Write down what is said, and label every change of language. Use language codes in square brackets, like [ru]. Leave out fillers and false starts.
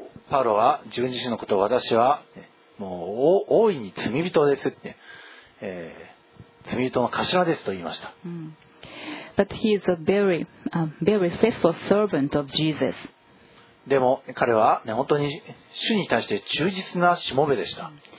[ja] パウロは自分自身のことを、私はもう大いに罪人ですって、罪人の頭ですと言いました。 [en] But he is a very, very faithful servant of Jesus. [ja] でも彼は、ね、本当に主に対して忠実なしもべでした。